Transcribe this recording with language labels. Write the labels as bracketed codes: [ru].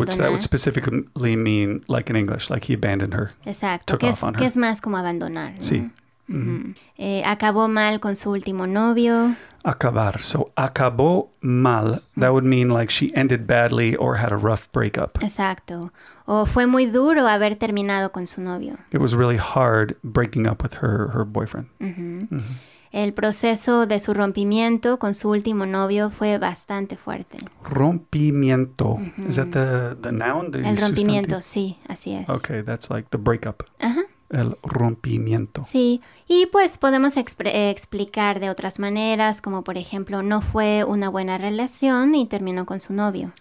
[en] Which that would specifically mean, like in English, like he abandoned her. [es] Exacto. [en] Took [es] que [en] off [es] es, [en] on her. [es] Que es más como abandonar, ¿no? Sí. Mm-hmm. Acabó mal con su último novio. Acabar. So, acabó mal. [en] That would mean like she ended badly or had a rough breakup. [es] Exacto. O fue muy duro haber terminado con su novio. [en] It was really hard breaking up with her boyfriend. Mm-hmm. Mm-hmm. [es] El proceso de su rompimiento con su último novio fue bastante fuerte. [en] Rompimiento. Mm-hmm. Is that the noun? The [es] El rompimiento, sustantivo? Sí. Así es. [en] Okay, that's like the breakup. Ajá. Uh-huh. [es] El rompimiento. Sí, y pues podemos explicar de otras maneras, como por ejemplo, no fue una buena relación y terminó con su novio.